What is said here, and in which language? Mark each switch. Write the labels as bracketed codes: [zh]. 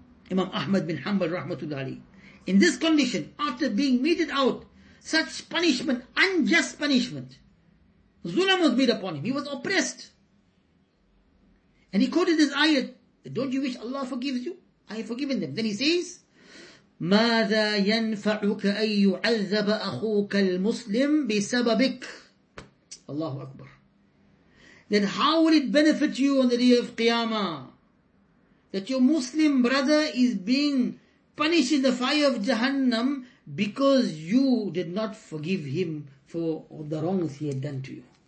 [en] Imam Ahmad bin Hanbal rahmatullahi, in this condition, after being meted out such punishment, unjust punishment, zulam was made upon him, he was oppressed. And he quoted this ayat, don't you wish Allah forgives you? I have forgiven them. [ar] Then he says, مَاذَا يَنْفَعُكَ أَن يُعَذَّبَ أَخُوكَ الْمُسْلِمْ بِسَبَبِكَ. Allahu Akbar. [en] Then how will it benefit you on the day of Qiyamah that your Muslim brother is being punished in the fire of Jahannam because you did not forgive him for the wrongs he had done to you?